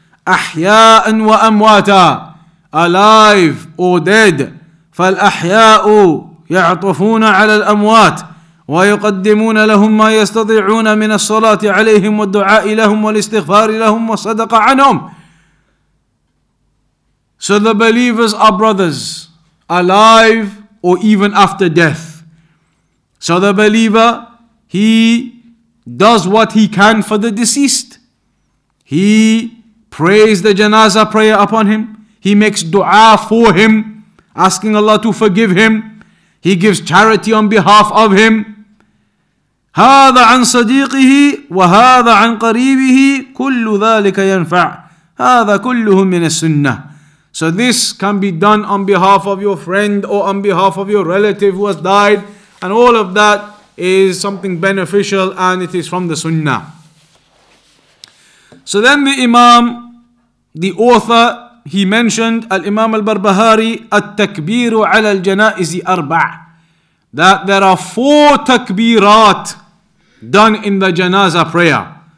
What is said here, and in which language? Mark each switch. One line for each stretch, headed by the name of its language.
Arabic: أحياء وأمواتا,
English: alive or dead.
Arabic: فالأحياء يعطفون على الأموات ويقدمون لهم ما يستطيعون من الصلاة عليهم والدعاء لهم والاستغفار لهم والصدقة عنهم.
English: So the believers are brothers, alive or even after death. So the believer, he does what he can for the deceased. He prays the janazah prayer upon him. He makes dua for him, asking Allah to forgive him. He gives charity on behalf of him.
Arabic: هذا عن صديقه وهذا عن قريبه كل ذلك ينفع هذا كله من السنة.
English: So this can be done on behalf of your friend or on behalf of your relative who has died, and all of that is something beneficial and it is from the sunnah. So then the imam, the author, he mentioned al-imam al-barbahaaree
Arabic: at-takbiru ala al-janaizi arba',
English: that there are four takbirat done in the janazah prayer.